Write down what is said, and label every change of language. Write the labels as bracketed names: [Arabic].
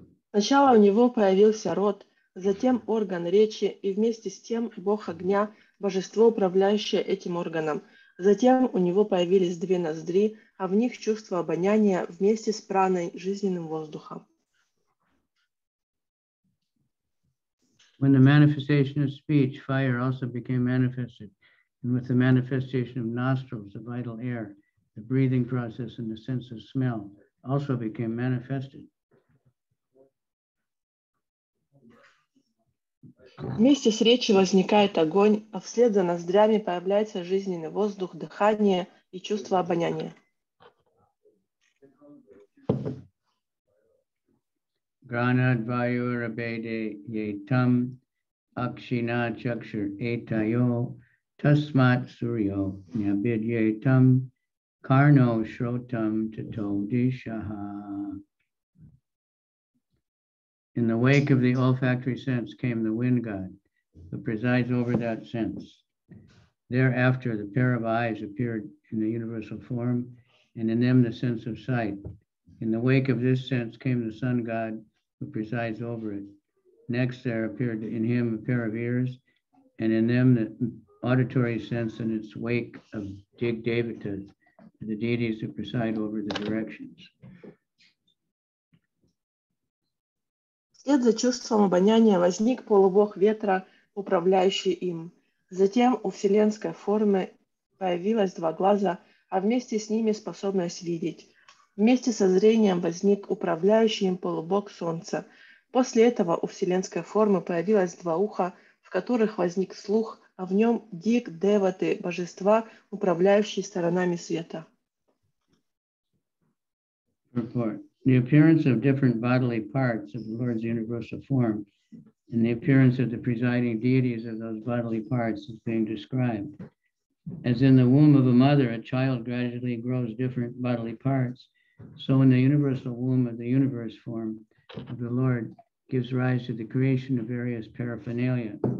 [Russian] Сначала у него появился рот, затем орган речи, и вместе с тем бог огня, божество, управляющее этим органом. Затем у него появились две ноздри, а в них чувство обоняния вместе с праной, жизненным воздухом. [English] When the manifestation of speech, fire also became manifested, and with the manifestation of nostrils, the vital air, the breathing process and the sense of smell also became manifested. [Russian] Вместе с речью возникает огонь, а вслед за ноздрями появляется жизненный воздух, дыхание и чувство обоняния. [Sanskrit] Гранад ваюр абеде етам акшина чакшур этайо тасмат сурьо нябедье там карно шротам тато дишаха. [English] In the wake of the olfactory sense came the wind god, who presides over that sense. Thereafter, the pair of eyes appeared in the universal form, and in them the sense of sight. In the wake of this sense came the sun god, who presides over it. Next, there appeared in him a pair of ears, and in them the auditory sense, and its wake of Jigdevatas, the deities who preside over the directions. [Russian] Вслед за чувством обоняния возник полубог ветра, управляющий им. Затем у вселенской формы появилось два глаза, а вместе с ними способность видеть. Вместе со зрением возник управляющий им полубог солнца. После этого у вселенской формы появилось два уха, в которых возник слух, а в нем дик деваты, божества, управляющие сторонами света. [English] The appearance of different bodily parts of the Lord's universal form and the appearance of the presiding deities of those bodily parts is being described. As in the womb of a mother, a child gradually grows different bodily parts, so in the universal womb of the universe form of the Lord gives rise to the creation of various paraphernalia.